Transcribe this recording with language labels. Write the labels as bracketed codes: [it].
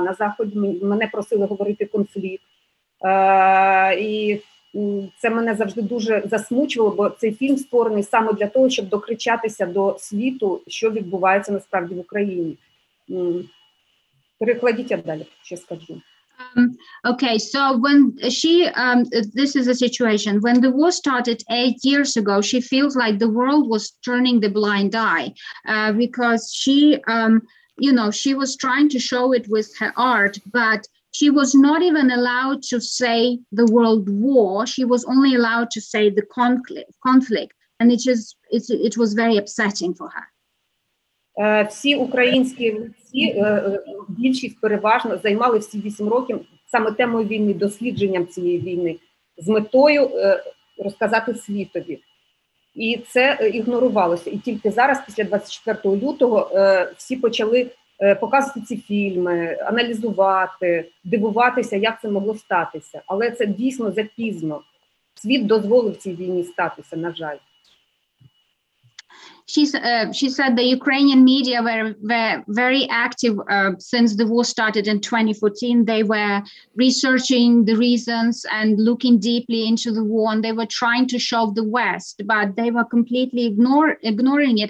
[uk] На Заході мене просили говорити «конфлікт». І це мене завжди дуже засмучувало, бо цей фільм створений саме для того, щоб докричатися до світу, що відбувається насправді в Україні. Перекладіть далі, що скажу. [en] Okay, so when she, this is the situation, when the war started 8 years ago, she feels like the world was turning the blind eye, because she, you know, she was trying to show it with her art, but she was not even allowed to say the world war, she was only allowed to say the conflict, and it was very upsetting for her. [uk] Всі українські лиці, більшість переважно, займали всі 8 років саме темою війни, дослідженням цієї війни, з метою розказати світові. І це ігнорувалося. І тільки зараз, після 24 лютого, всі почали показувати ці фільми, аналізувати, дивуватися, як це могло статися. Але це дійсно запізно. Світ дозволив цій війні статися, на жаль. [en] She said the Ukrainian media were very active since the war started in 2014. They were researching the reasons and looking deeply into the war, and they were trying to shove the West, but they were completely ignoring it.